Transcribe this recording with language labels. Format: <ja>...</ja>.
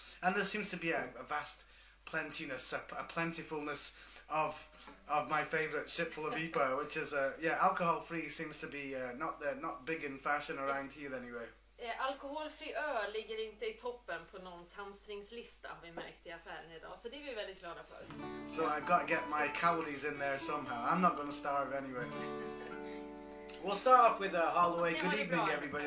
<en>And there seems to be a vast plentiness, a plentifulness of my favourite Shipful of Ipoh, which is, alcohol-free seems to be not big in fashion around here anyway.</en> <sv>Alkoholfri öl ligger inte i toppen på någons hamstringslista, har vi märkt i affären idag, så det är vi väldigt glada för.</sv> <en>So I've got to get my calories in there somehow. I'm not going to starve anyway. We'll start off with Holloway. Good evening, everybody.</en>